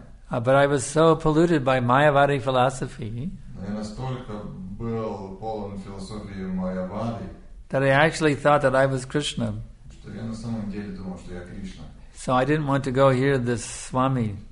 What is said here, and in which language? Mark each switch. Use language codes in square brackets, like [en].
[en] But I was so polluted by Mayavadi philosophy. [ru] Но я настолько был полон философии Майявады, that I actually thought that I was Krishna. Что я на самом деле думал, что я Кришна. [en] So I didn't want to go hear this Swami.